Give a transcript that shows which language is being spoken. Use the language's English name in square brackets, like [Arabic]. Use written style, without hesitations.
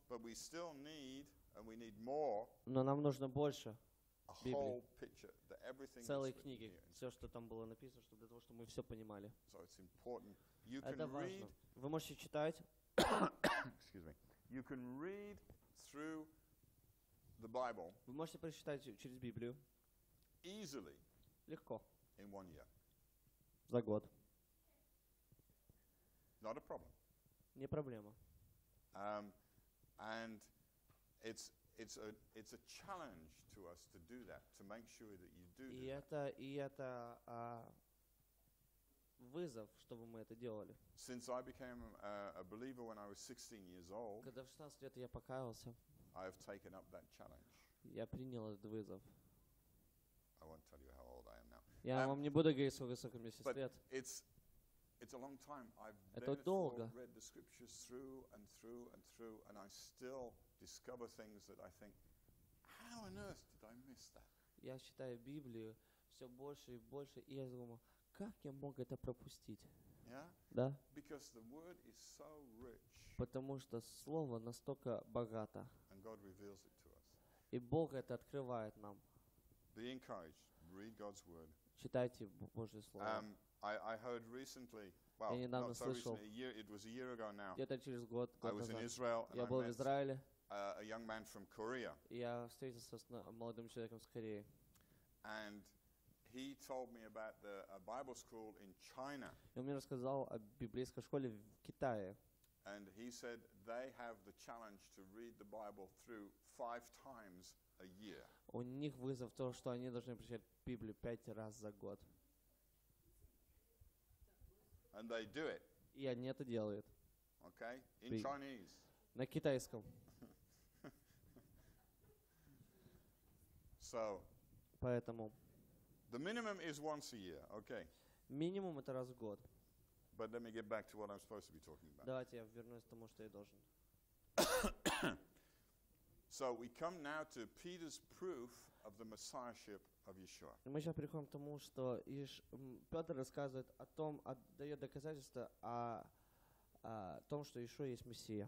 [English] But we still need, and we need more. [Russian] Но нам нужно больше. [English] A whole picture, the everything. [Russian] Целой книги, все, что там было написано, чтобы для того, чтобы мы все понимали. [English] So it's important. You can read. [Russian] Вы можете читать. [English] Excuse me. You can read through the Bible. [Russian] Вы можете прочитать через Библию. [English] Easily. [Russian] Легко. [English] In 1 year. [Russian] За год. [English] Not a problem. [Russian] Не проблема. [English] And it's a challenge to us to do that, to make sure that you do that. [Russian] И это вызов, чтобы мы это делали. [English] Since I became a believer when I was 16 years old. [Russian] Когда в 16 лет я покаялся. [English] I have taken up that challenge. [Russian] Я принял этот вызов. [English] I won't tell you how old I am now. [Russian] Я вам не буду говорить, сколько мне сейчас лет. [English] It's a long time. I've read the scriptures through and through and through, and I still discover things that I think, how on earth did I miss that? [Russian] Я читаю Библию все больше и больше, и я думаю, как я мог это пропустить? Да? [English] Because the word is so rich. [Russian] Потому что слово настолько богато. [English] And God reveals it to us. [Russian] И Бог это открывает нам. [English] Be encouraged. Read God's word. [Russian] Читайте Божье слово. [English] I heard recently, well, not so recently, it was a year ago now. [Russian] Где-то через год. [English] I was in Israel. [Russian] Я был в Израиле. [English] A young man from Korea. [Russian] Я встретился с молодым человеком из Кореи. [English] And he told me about a Bible school in China. [Russian] И он мне рассказал о библейской школе в Китае. [English] And he said they have the challenge to read the Bible through 5 times a year. [Russian] У них вызов то, что они должны прочитать Библию 5 раз за год. [English] And they do it. [Russian] И они это делают. [English] Okay, in Chinese. [Russian] На китайском. [English] So. [Russian] Поэтому. [English] The minimum is once a year. Okay. [Russian] Минимум это раз в год. [English] But let me get back to what I'm supposed to be talking about. [Russian] Давайте я вернусь к тому, что я должен. [English] So we come now to Peter's proof of the messiahship. [Russian] Мы сейчас переходим к тому, что Петр рассказывает о том, дает доказательства о том, что Иешуа есть Мессия.